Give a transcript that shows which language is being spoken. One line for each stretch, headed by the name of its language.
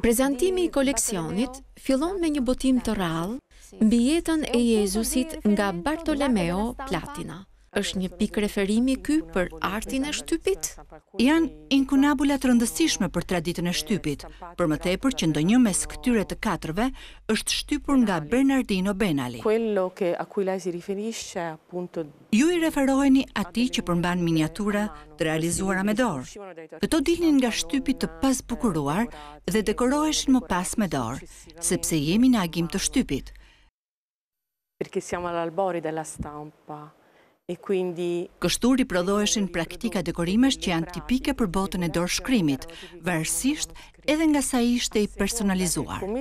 Albanian: Prezantimi i koleksionit fillon me një botim të rallë mbi jetën e Jezusit nga Bartolomeo Platina. Është një pikë referimi ky për artin e shtypit? Janë inkunabula të rëndësishme për traditën e shtypit, për më tepër që ndonjë mes këtyre të katërve është shtypur nga Bernardino Benali.
Italian: Quello che a cui lei si riferisce appunto.
Albanian: Ju i referoheni atij që përmban miniatura të realizuara me dorë. Këto dilnin nga shtypi të pasbukuruar dhe dekoroheshin më pas me dorë, sepse jemi në agim të shtypit.
Italian: Perché siamo all'albore della stampa.
Albanian: Kështu riprodhoheshin praktika dekorimesh që janë tipike për botën e dorëshkrimit, varësisht edhe nga sa ishte i personalizuar.